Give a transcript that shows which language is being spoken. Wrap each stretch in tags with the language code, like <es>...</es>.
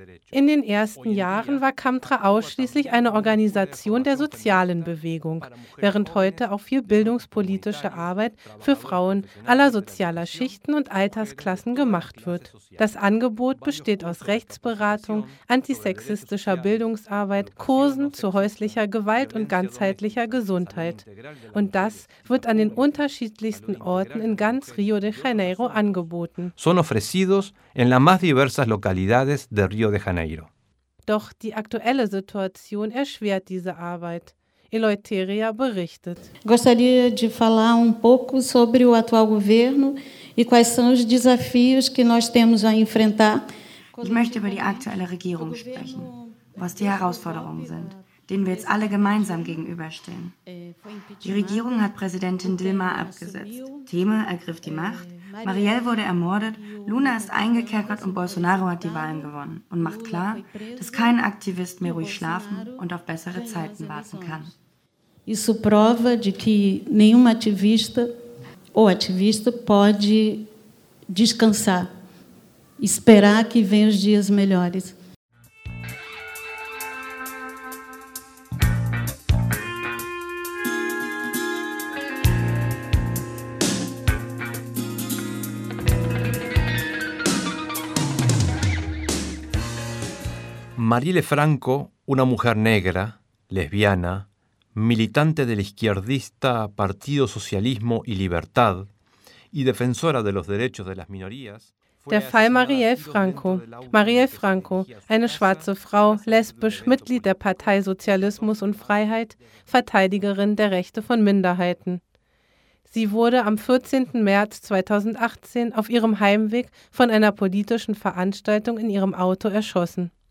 <de>In den ersten Jahren war CAMTRA ausschließlich eine Organisation der sozialen Bewegung, während heute auch viel bildungspolitische Arbeit für Frauen aller sozialer Schichten und Altersklassen gemacht wird. Das Angebot besteht aus Rechtsberatung, antisexistischer Bildungsarbeit, Kursen zu häuslicher Gewalt und ganzheitlicher Gesundheit. Und das wird an den unterschiedlichsten Orten in ganz Rio de Janeiro angeboten.</de> <es>Son ofrecidos en las más diversas localidades de Río de Janeiro.</es> <de>Doch die aktuelle Situation erschwert diese Arbeit. Eleutéria berichtet.</de> <pt>Gostaria de falar pouco sobre o atual governo e quais são os desafios que nós temos a enfrentar.</pt> <de>Ich möchte über die aktuelle Regierung sprechen, was die Herausforderungen sind, denen wir jetzt alle gemeinsam gegenüberstehen. Die Regierung hat Präsidentin Dilma abgesetzt. Temer ergriff die Macht. Marielle wurde ermordet, Luna ist eingekerkert und Bolsonaro hat die Wahlen gewonnen und macht klar, dass kein Aktivist mehr ruhig schlafen und auf bessere Zeiten warten kann.</de> <pt>Isso prova de que nenhum ativista ou ativista pode descansar, esperar que venham os dias melhores.</pt> <es>Marielle Franco, una mujer negra, lesbiana, militante del izquierdista Partido Socialismo y Libertad y defensora de los derechos de las minorías.</es> <de>Der Fall Marielle Franco. Marielle Franco, eine schwarze Frau, lesbisch, Mitglied der Partei Sozialismus und Freiheit, Verteidigerin der Rechte von Minderheiten. Sie wurde am 14. März 2018 auf ihrem Heimweg von einer politischen Veranstaltung in ihrem Auto erschossen.</de>